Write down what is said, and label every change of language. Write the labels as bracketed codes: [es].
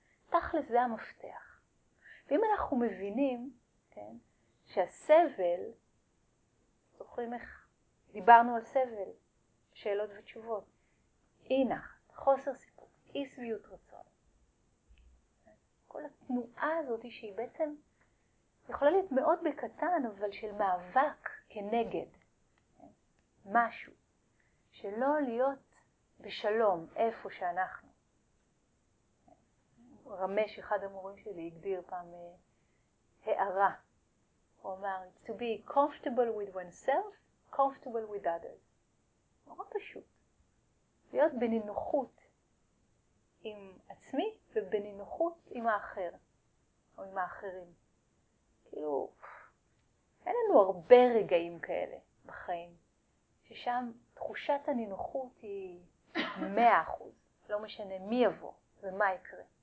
[he] תכלס זה המפתח. ואם אנחנו מבינים, כן, שהסבל, זוכרים איך דיברנו על סבל, שאלות ותשובות, אינחת, חוסר סיפוק, אי שביעות רצון, כל התנועה הזאת שהיא בעצם יכולה להיות מאוד בקטן, אבל של מאבק כנגד משהו, שלא להיות בשלום איפה שאנחנו. רמש, אחד המורים שלי, הגדיר פעם הערה. הוא אמר, [en] to be comfortable with oneself, comfortable with others. [he] נורא פשוט. להיות בנינוחות עם עצמי ובנינוחות עם האחר. או עם האחרים. כאילו, אין לנו הרבה רגעים כאלה בחיים. ששם תחושת הנינוחות היא 100%. לא משנה מי יבוא ומה יקרה.